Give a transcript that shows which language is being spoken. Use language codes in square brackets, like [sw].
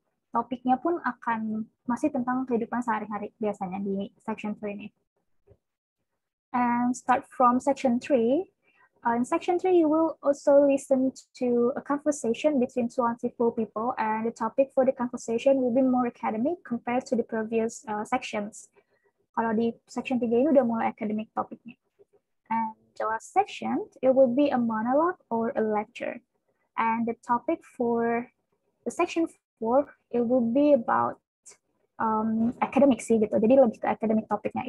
[id] Topiknya pun akan masih tentang kehidupan sehari-hari biasanya di section 3 ini. [en] And start from section 3. In section 3, you will also listen to a conversation between 24 people, and the topic for the conversation will be more academic compared to the previous sections. [id] Kalau di section 3 ini udah mulai academic topiknya. [en] And the last section, it will be a monologue or a lecture. And the topic for the section 4, it will be about academic sih gitu. [id] Jadi lebih ke academic topiknya.